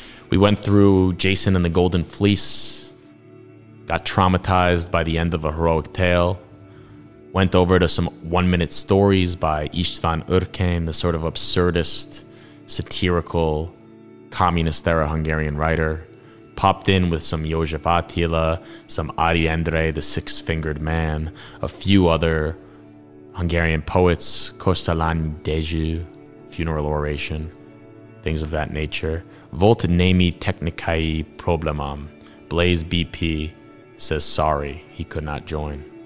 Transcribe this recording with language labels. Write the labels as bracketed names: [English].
[English] We went through Jason and the Golden Fleece, got traumatized by the end of a heroic tale, went over to some one-minute stories by István Urkén, the sort of absurdist, satirical, communist-era Hungarian writer. Popped in with some Jozsef Attila, some Ari Endre, the six-fingered man, a few other Hungarian poets, Kostalán Dezsú, funeral oration, things of that nature. [Hungarian] Volt némi technikai problémám. [English] Blaze BP says sorry, he could not join.